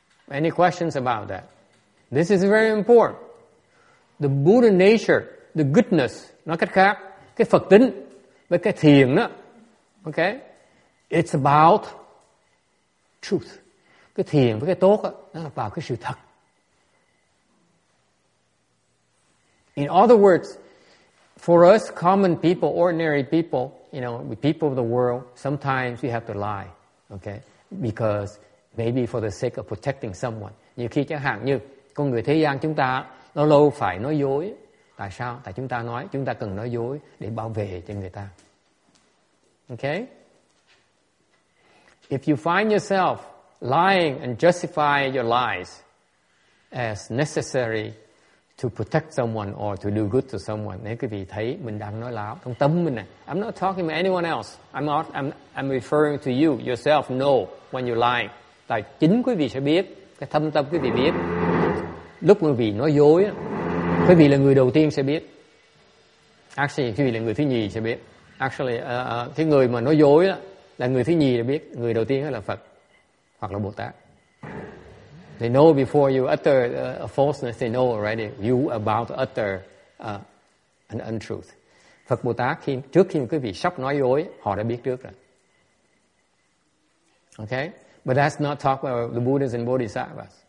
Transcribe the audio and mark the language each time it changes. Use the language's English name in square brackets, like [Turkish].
[English] Any questions about that? This is very important. The Buddha nature, the goodness, [Vietnamese] nói cách khác, cái Phật tính với cái thiền đó, [English] okay? It's about truth. [Vietnamese] Cái thiền với cái tốt đó, nó là vào cái sự thật. [English] In other words, for us common people, ordinary people, you know, we people of the world, sometimes we have to lie, okay? Because maybe for the sake of protecting someone. [Vietnamese] Nhiều khi chẳng hạn như con người thế gian chúng ta nó lâu phải nói dối. Tại sao? Tại chúng ta nói chúng ta cần nói dối để bảo vệ cho người ta. [English] Okay? If you find yourself lying and justify your lies as necessary to protect someone or to do good to someone, [Vietnamese] nếu quý vị thấy mình đang nói láo trong tâm mình này, [English] I'm not talking to anyone else. I'm referring to you yourself. Know when you lie. [Vietnamese] Tại chính quý vị sẽ biết, cái thâm tâm quý vị biết. Lúc quý vị nói dối, quý vị là người đầu tiên sẽ biết. Actually, quý vị là người thứ nhì sẽ biết. Actually, cái người mà nói dối là người thứ nhì sẽ biết. Người đầu tiên là Phật hoặc là Bồ Tát. [English] They know before you utter a falseness, they know already. You about to utter an untruth. [Vietnamese] Phật Bồ Tát khi trước khi quý vị sắp nói dối, họ đã biết trước rồi. [English] Okay? But that's not talk about the Buddhas and Bodhisattvas.